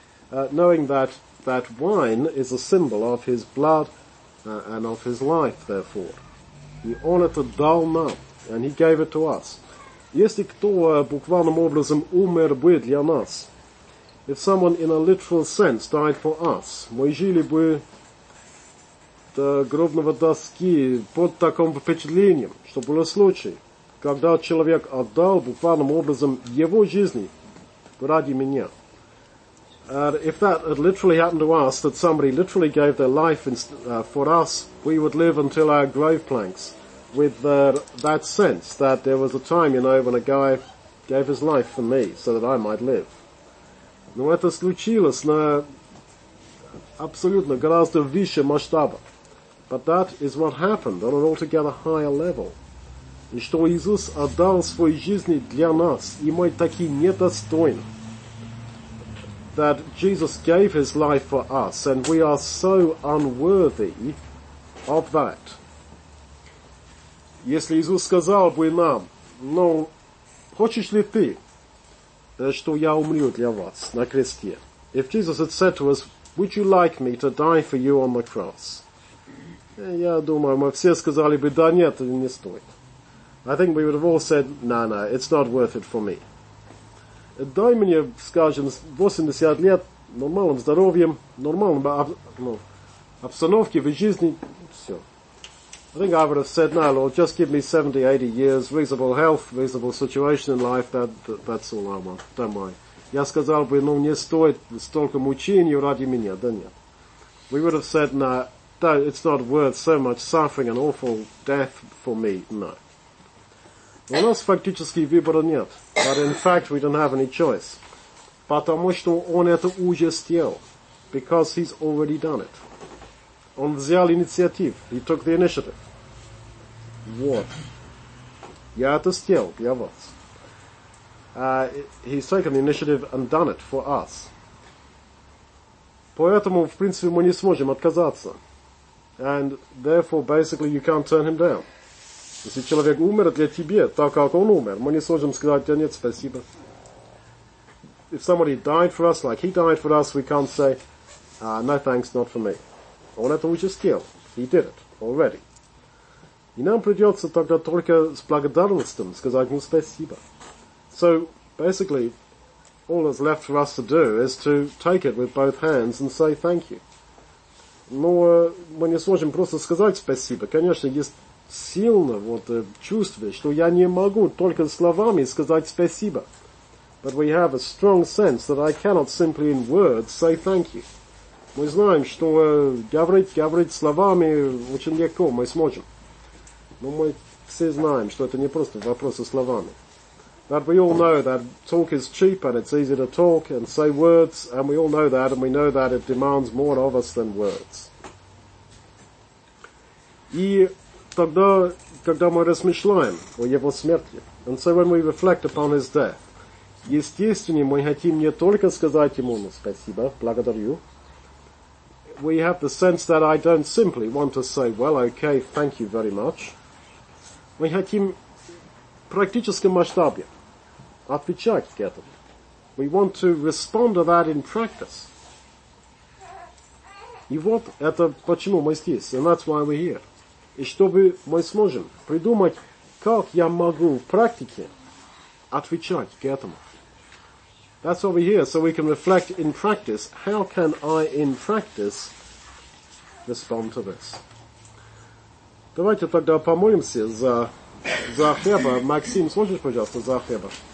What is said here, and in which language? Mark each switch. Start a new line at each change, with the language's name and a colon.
English: Knowing that wine is a symbol of his blood and of his life, therefore. He honored the dull man, and he gave it to us.
Russian: Если кто буквальным образом умер бы для нас,
English: if someone in a literal sense died for us,
Russian: мы жили бы до гробного доски под таким впечатлением, что было случай, когда человек отдал буквальным образом его жизни ради меня.
English: If that had literally happened to us, that somebody literally gave their life for us, we would live until our grave planks with that sense that there was a time, when a guy gave his life for me so that I might live.
Russian: Но это случилось на абсолютно гораздо выше масштаба.
English: But that is what happened on an altogether higher level.
Russian: И что Иисус отдал свой жизни для нас, и мы таки недостойны.
English: That Jesus gave his life for us, and we are so unworthy of that.
Russian: Если Иисус сказал бы нам, хочешь ли ты, что я умру для вас на кресте?
English: If Jesus had said to us, would you like me to die for you on the cross?
Russian: Я думаю, мы все сказали бы, да нет, не стоит.
English: I think we would have all said, no, it's not worth it for me.
Russian: Дай мне, скажем, 80 лет, нормальным здоровьем, нормальным обстановке в жизни, все.
English: I think I would have said, no, Lord, just give me 70, 80 years, reasonable health, reasonable situation in life, that's all I want, don't mind.
Russian: Я сказал бы, не стоит столько мучений ради меня, да нет.
English: We would have said, no, it's not worth so much suffering and awful death for me, no.
Russian: У нас фактически выбора нет.
English: But in fact, we don't have any choice.
Russian: Потому что он это уже сделал.
English: Because he's already done it.
Russian: Он взял инициативу.
English: He took the initiative.
Russian: Вот. Я это сделал для вас.
English: He's taken the initiative and done it for us.
Russian: Поэтому, в принципе, мы не сможем отказаться.
English: And therefore, basically, you can't turn him down.
Russian: Если человек умер для тебя, так как он умер, мы не сможем сказать, да нет, спасибо.
English: If somebody died for us, like he died for us, we can't say, no thanks, not for me.
Russian: Он это уже сделал.
English: He did it already.
Russian: И нам придется тогда только с благодарностью сказать ему спасибо.
English: So, basically, all that's left for us to do is to take it with both hands and say thank you.
Russian: Но мы не сможем просто сказать спасибо. Конечно, есть сильно вот чувство, что я не могу только словами сказать спасибо.
English: But we have a strong sense that I cannot simply in words say thank you.
Russian: Мы знаем, что говорить словами очень легко, мы сможем. Но мы все знаем, что это не просто вопрос со словами.
English: That we all know that talk is cheap and it's easy to talk and say words, and we all know that, and we know that it demands more of us than words.
Russian: И тогда, когда мы размышляем о его смерти,
English: and so when we reflect upon his death,
Russian: естественно, мы хотим не только сказать ему спасибо, благодарю.
English: We have the sense that I don't simply want to say, well, okay, thank you very much.
Russian: Мы хотим практическом масштабе отвечать к этому.
English: We want to respond to that in practice.
Russian: И вот это почему мы здесь.
English: And that's why we're here.
Russian: И чтобы мы сможем придумать, как я могу в практике отвечать к этому.
English: That's why we're here, so we can reflect in practice, how can I in practice respond to this?
Russian: Давайте тогда помолимся за хлеба. Максим, сможешь, пожалуйста, за хлеба?